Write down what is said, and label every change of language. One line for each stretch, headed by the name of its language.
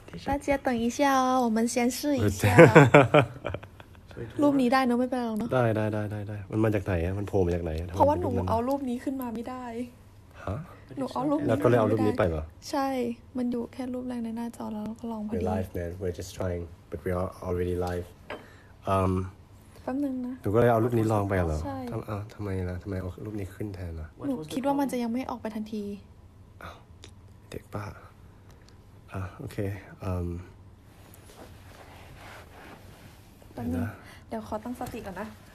Chinese: 大家等一下哦我们先试一下
Thai: รูปนี้ได้เนาะไม่เป็นไรเนาะ ได้มันมาจากไหนอ่ะมันโผล่มาจากไหน เพราะว่าหนูเอารูปนี้ขึ้นมาไม่ได้ฮ ะ หนูเอารูป แล้วก็เลยเอารูปนี้ไปเหรอ ใช่มันอยู่แค่รูปแรกในหน้าจอแล้วเราก็ลองพอดี
English: We're live man we're just trying but we are already live
Thai: แป๊บนึงนะ หนูก็เลยเอารูปนี้ลองไปเหรอ ใช่ ทำไมล่ะทำไมเอารูปนี้ขึ้นแทนล่ะ หนูคิดว่ามันจะยังไม่ออกไปทันที อ้าวเด็กป้าอ่ะโอเค ตอนนี้เดี๋ยวขอตั้งสติก่อนนะ